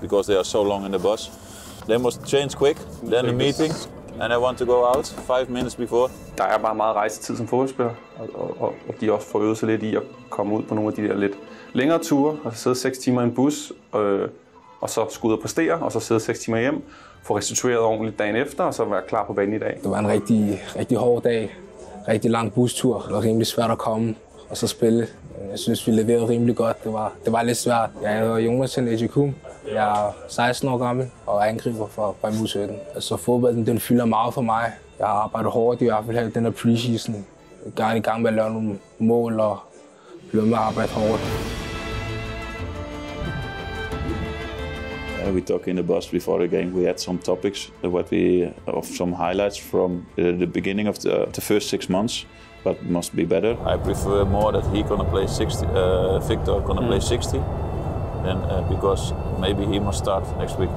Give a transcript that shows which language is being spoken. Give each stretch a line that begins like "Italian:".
English: Because they are so long in the bus. They must change quick, then the meeting, and I want to go out 5 minutes before.
Danish: Der er bare meget rejsetid som fodboldspiller, og de også får øvet sig lidt i at komme ud på nogle af de der lidt længere ture, og så sidde 6 timer i en bus, og så skulle ud og præstere, og så sidde 6 timer hjem. Få restitueret ordentligt dagen efter, og så være klar på banen i dag. Det var en rigtig, rigtig hård dag. Rigtig lang bustur. Det var rimelig svært at komme og så spille. Jeg synes, vi leverede rimelig godt. Det var lidt svært. Jeg hedder Jonas Ejikum. Jeg er 16 år gammel og angriber for Brøndby 17. Altså, fodbolden den fylder meget for mig. Jeg har arbejdet hårdt i hvert fald her i den her preseason. Jeg er i gang med at lave nogle mål og blive med at arbejde hårdt.
English: We talked in the bus before the game. We had some topics, of some highlights from the beginning of the first 6 months, but must be better. I prefer more that he gonna play 60, Victor gonna play 60, and because maybe he must start next week.